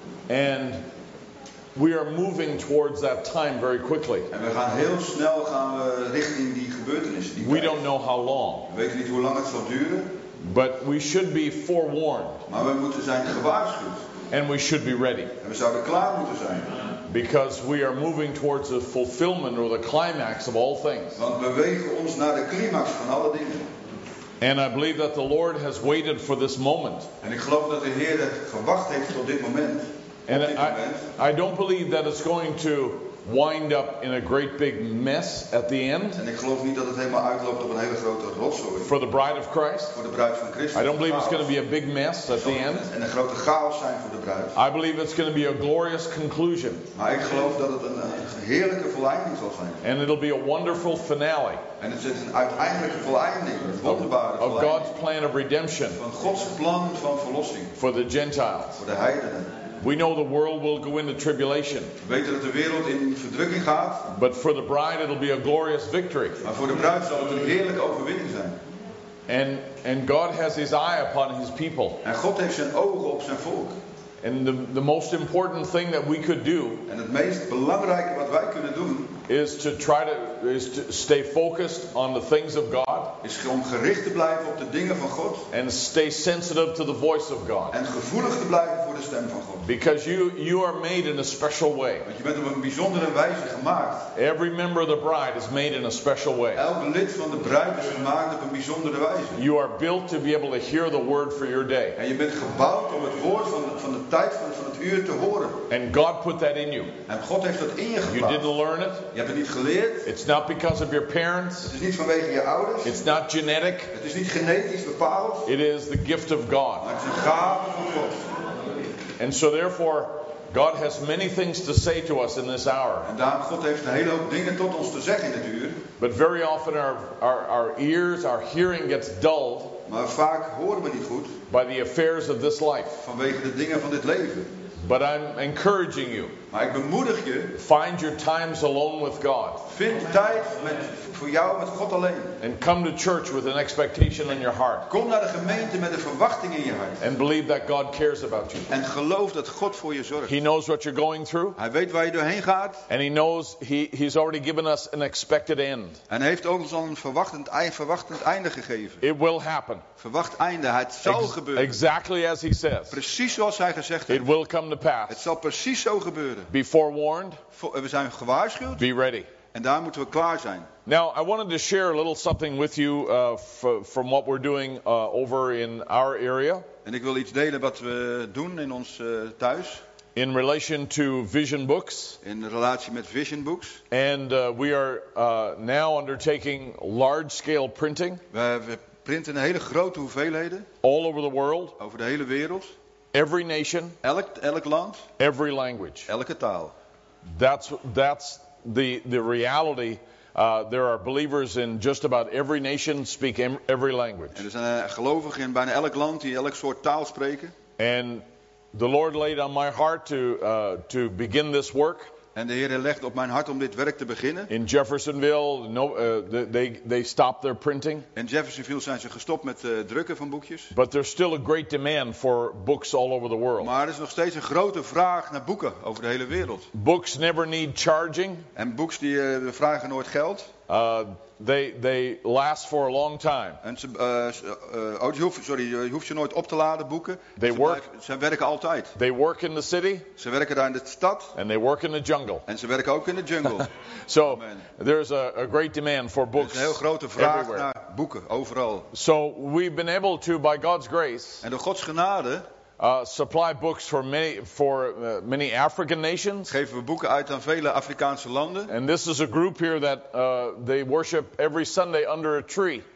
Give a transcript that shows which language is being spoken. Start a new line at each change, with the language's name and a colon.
English: And we are moving towards that time very quickly.
Dutch: En we gaan heel snel gaan we richting die gebeurtenis. Die
English: we don't know how long.
Dutch: We weten niet hoe lang het zal duren.
English: But we should be forewarned.
Dutch: Maar we moeten zijn gewaarschuwd.
English: And we should be ready.
Dutch: En we zouden klaar moeten zijn.
English: Because we are moving towards the fulfillment or the climax of all things.
Dutch: Want we bewegen ons naar de climax van alle dingen.
English: And I believe that the Lord has waited for this moment.
Dutch: En ik geloof dat de Heer het gewacht heeft tot dit moment.
English: And I don't believe that it's going to wind up in a great big mess at the end.
Dutch: En ik geloof niet dat het helemaal uitloopt op een hele grote rotzooi.
English: For the bride of Christ.
Dutch: Voor de bruid van Christus.
English: I don't believe it's going to be a big mess at the end.
Dutch: En een grote chaos zijn voor de bruid.
English: I believe it's going to be a glorious conclusion.
Dutch: Maar ik geloof dat het een heerlijke verleiding zal zijn.
English: And it'll be a wonderful finale.
Dutch: En het is een uiteindelijke verleiding, een wonderbare verleiding.
English: Of God's plan of redemption.
Dutch: Van Gods plan van verlossing.
English: For the Gentiles.
Dutch: Voor de heidenen.
English: We know the world will go into tribulation.
Dutch: We weten dat de wereld in verdrukking gaat.
English: But for the bride, it'll be a glorious victory.
Dutch: Maar voor de bruid zal het een heerlijke overwinning zijn.
English: And God has His eye upon His people.
Dutch: En God heeft zijn ogen op zijn volk.
English: And the most important thing that we could do.
Dutch: En het meest belangrijke wat wij kunnen doen.
English: Is to stay focused on the things of God.
Dutch: Is om gericht te blijven op de dingen van God.
English: And stay sensitive to the voice of God.
Dutch: En gevoelig te blijven voor de stem van God.
English: Because you are made in a special way.
Dutch: Want je bent op een bijzondere wijze gemaakt.
English: Every member of the bride is made in a special way.
Dutch: Elk lid van de bruid is gemaakt op een bijzondere wijze.
English: You are built to be able to hear the word for your day.
Dutch: En je bent gebouwd om het woord van de tijd van het uur te horen.
English: And God put that in you.
Dutch: En God heeft dat in je gebouwd.
English: You didn't learn it.
Dutch: Je hebt het niet geleerd.
English: It's not because of your parents.
Dutch: Het is niet vanwege je ouders.
English: It's not genetic.
Dutch: Het is niet genetisch bepaald.
English: It is the gift of God.
Dutch: Maar het is een gave van God.
English: And so therefore, God has many things to say to us in this hour.
Dutch: En daarom God heeft een hele hoop dingen tot ons te zeggen in dit uur.
English: But very often our ears, our hearing gets dulled.
Dutch: Maar vaak horen we niet goed.
English: By the affairs of this life.
Dutch: Vanwege de dingen van dit leven.
English: But I'm encouraging you.
Dutch: Maar ik bemoedig je.
English: Find your times alone with God.
Dutch: Vind tijd voor jou met God alleen.
English: And come to church with an expectation in your heart.
Dutch: Kom naar de gemeente met een verwachting in je hart.
English: And believe that God cares about you.
Dutch: En geloof dat God voor je zorgt.
English: He knows what you're going through.
Dutch: Hij weet waar je doorheen gaat.
English: And he knows he's already given us an expected end.
Dutch: En heeft ons al een verwachtend einde gegeven.
English: It will happen.
Dutch: Verwacht einde, het zal gebeuren.
English: Exactly as he says.
Dutch: Precies zoals hij gezegd heeft.
English: It will come to pass.
Dutch: Het zal precies zo gebeuren.
English: Be forewarned.
Dutch: We zijn gewaarschuwd.
English: Be ready.
Dutch: En daar moeten we klaar zijn.
English: Now, I wanted to share a little something with you from what we're doing over in our area.
Dutch: En ik wil iets delen wat we doen in ons thuis.
English: In relation to vision books.
Dutch: In relatie met vision books.
English: And we are now undertaking large-scale printing.
Dutch: We printen een hele grote hoeveelheden.
English: All over the world.
Dutch: Over de hele wereld.
English: Every nation,
Dutch: elk land,
English: every language,
Dutch: elke taal.
English: That's the reality. There are believers in just about every nation speak every language.
Dutch: En er zijn gelovigen in bijna elk land die elk soort taal spreken.
English: And the Lord laid on my heart to begin this work.
Dutch: En de Heer legde op mijn hart om dit werk te beginnen.
English: In Jeffersonville, they stopped their printing.
Dutch: In Jeffersonville zijn ze gestopt met drukken van boekjes.
English: But there's still a great demand for books all over the world.
Dutch: Maar er is nog steeds een grote vraag naar boeken over de hele wereld.
English: Books never need charging.
Dutch: En boeken die vragen nooit geld.
English: They last for a long time.
Dutch: En ze, je hoeft ze nooit op te laden boeken.
English: They
Dutch: ze
English: work.
Dutch: Ze werken altijd.
English: They work in the city.
Dutch: Ze werken daar in de stad.
English: And they work in the jungle.
Dutch: En ze werken ook in de jungle.
English: So amen. There's a great demand for books.
Dutch: Er is een heel grote vraag naar boeken overal.
English: So we've been able to, by God's grace.
Dutch: En door Gods genade.
English: Supply books for many African nations.
Dutch: Geven we boeken uit aan vele Afrikaanse landen.
English: And this is a group here that they worship every Sunday under a tree.